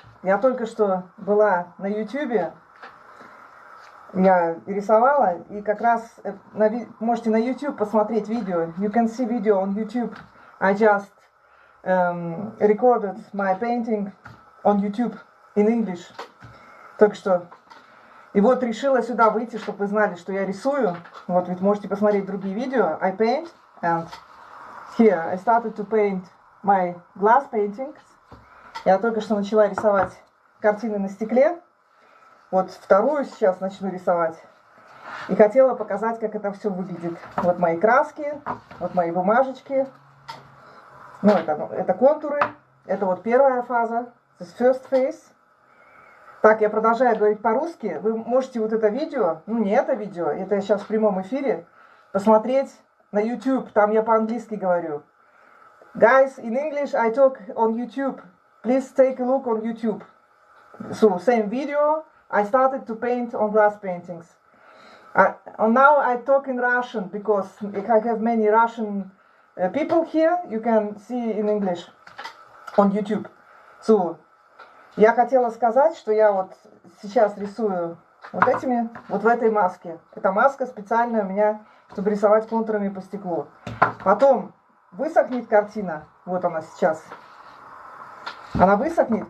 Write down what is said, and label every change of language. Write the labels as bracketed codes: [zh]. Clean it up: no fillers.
[ru] Я только что была на YouTube. Я рисовала, и как раз можете на YouTube посмотреть видео. [en] You can see video on YouTube. I just recorded my painting on YouTube in English. [ru] Только что. И вот решила сюда выйти, чтобы вы знали, что я рисую. Вот ведь можете посмотреть другие видео. [en] I paint and here I started to paint my glass paintings. [ru] Я только что начала рисовать картины на стекле. Вот вторую сейчас начну рисовать. И хотела показать, как это все выглядит. Вот мои краски, вот мои бумажечки. Ну, это контуры. Это вот первая фаза. [en] This first phase. [ru] Так, я продолжаю говорить по-русски. Вы можете вот это видео, ну не это видео, это я сейчас в прямом эфире, посмотреть на YouTube. Там я по-английски говорю. [en] Guys, in English I talk on YouTube. Please take a look on YouTube. So, same video. I started to paint on glass paintings. Now I talk in Russian, because I have many Russian people here. You can see in English on YouTube. [ru] So, я хотела сказать, что я вот сейчас рисую вот этими, вот в этой маске. Это маска специальная у меня, чтобы рисовать контурами по стеклу. Потом высохнет картина. Вот она сейчас. Она высохнет.